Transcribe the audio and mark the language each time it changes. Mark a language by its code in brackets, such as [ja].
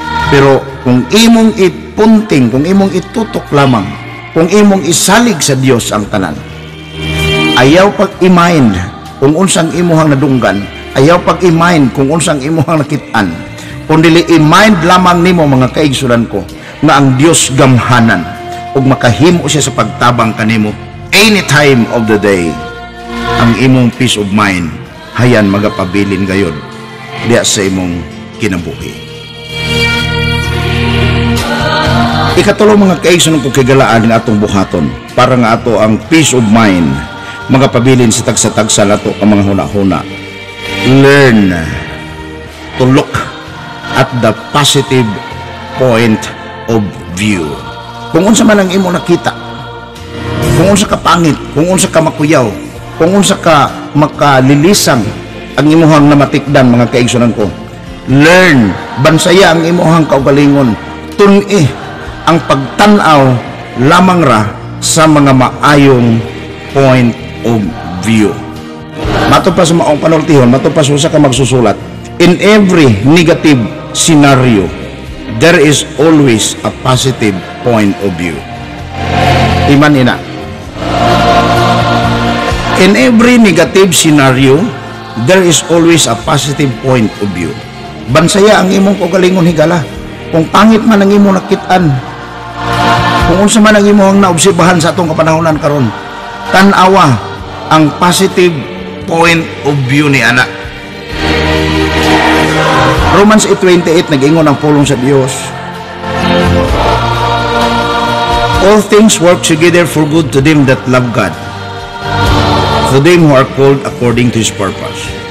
[ceb] Pero kung imong ipunting, kung imong itutok lamang, kung imong isalig sa Dios ang tanan, ayaw pag-imind kung unsang imuhang nadunggan, ayaw pag-imind kung unsang imuhang nakitaan, kundi imind lamang nimo mga kaigsoonan ko na ang Dios gamhanan ug makahimo siya sa pagtabang kanimo [en] any time of the day. [ceb] Ang imong peace of mind hayan magapabilin gayon diya sa imong kinabuhi. Ikatulo mga kaisun ng kukigalaan ng atong buhaton para nga ato ang peace of mind magapabilin sa tagsa-tagsa nato ang mga huna-huna. [en] Learn to look at the positive point of view. [ceb] Kung unsa man ang imo nakita, kung unsa ka pangit, kung unsa ka makuyaw, kung unsa ka makalilisang ang imuhang namatikdan, mga kaigsunan ko, [en] learn, [ceb] bansaya ang imuhang kaugalingon, tun-i ang pagtanaw lamang ra sa mga maayong point of view. Matupas maong panultihon, matupas usa ka magsusulat, [en] in every negative scenario, there is always a positive point of view. [ceb] Iman ina. [en] In every negative scenario, there is always a positive point of view. [ceb] Bansaya ang imong kaugalingon higala. Kung pangit man ang imong nakit-an, kung unsa man ang imong naobserbahan sa atong kapanahonan karon, tan-awa ang [en] positive point of view [ceb] ni ana. Romans 8:28 nag-ingon ang pulong sa Dios. [en] All things work together for good to them that love God, to them who are called according to His purpose.